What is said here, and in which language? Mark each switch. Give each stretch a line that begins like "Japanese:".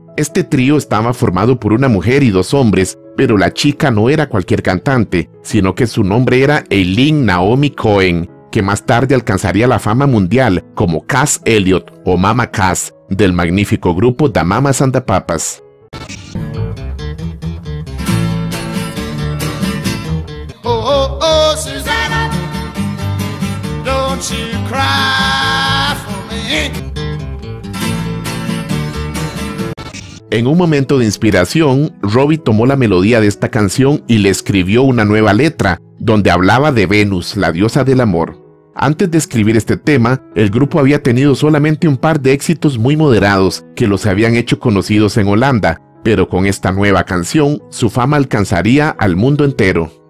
Spanish: Este trío estaba formado por una mujer y 2 hombres, pero la chica no era cualquier cantante, sino que su nombre era Eileen Naomi Cohen, que más tarde alcanzaría la fama mundial como Cass Elliot o Mama Cass, del magnífico grupo The Mamas and the Papas.
English: Oh, oh, oh, Susanna, don't you cry for me.
Spanish: En un momento de inspiración, Robbie tomó la melodía de esta canción y le escribió una nueva letra, donde hablaba de Venus, la diosa del amor. Antes de escribir este tema, el grupo había tenido solamente un par de éxitos muy moderados que los habían hecho conocidos en Holanda, pero con esta nueva canción, su fama alcanzaría al mundo entero.